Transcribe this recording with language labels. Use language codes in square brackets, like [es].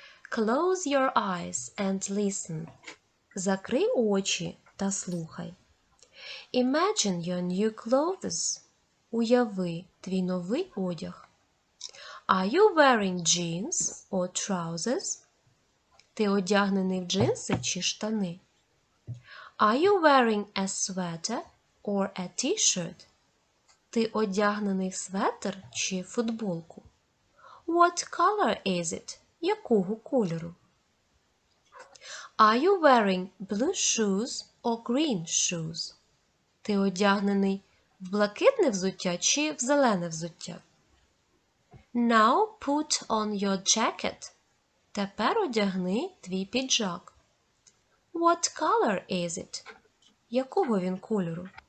[en] Close your eyes and listen. [uk] Закрий очі та слухай. [en] Imagine your new clothes. [uk] Уяви твій новий одяг. [en] Are you wearing jeans or trousers? [uk] Ти одягнений в джинси чи штани? [en] Are you wearing a sweater or a t-shirt? [uk] Ти одягнений в светр чи футболку? [en] What color is it? [uk] Якого кольору? [en] Are you wearing blue shoes or green shoes? [uk] Ти одягнений в блакитне взуття чи в зелене взуття? [en] Now put on your jacket. [uk] Тепер одягни твій піджак. [en] What color is it? [uk] Якого він кольору?